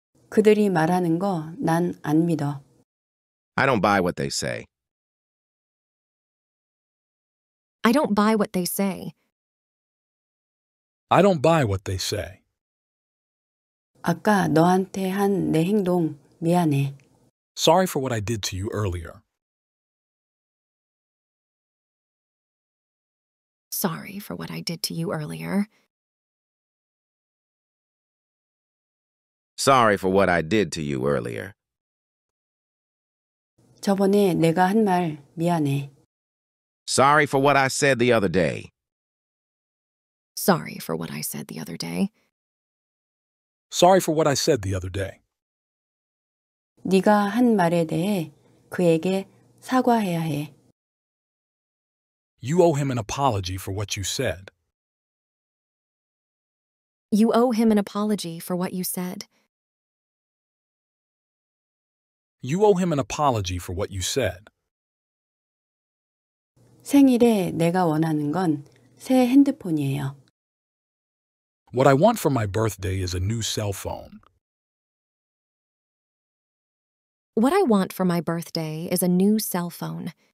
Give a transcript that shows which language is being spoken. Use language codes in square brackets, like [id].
[ko] 그들이 말하는 거 난 안 믿어. [en] I don't buy what they say. I don't buy what they say. I don't buy what they say. [ko] 아까 너한테 한 내 행동 미안해. [en] Sorry for what I did to you earlier. Sorry for what I did to you earlier. Sorry for what I did to you earlier. [ko] 저번에 내가 한 말 미안해. [en] Sorry for what I said the other day. Sorry for what I said the other day. Sorry for what I said the other day. [ko] 네가 한 말에 대해 그에게 사과해야 해. [en] You owe him an apology for what you said. You owe him an apology for what you said. You owe him an apology for what you said. [ko] 생일에 내가 원하는 건 새 핸드폰이에요. [en] What I want for my birthday is a new cell phone. What I want for my birthday is a new cell phone.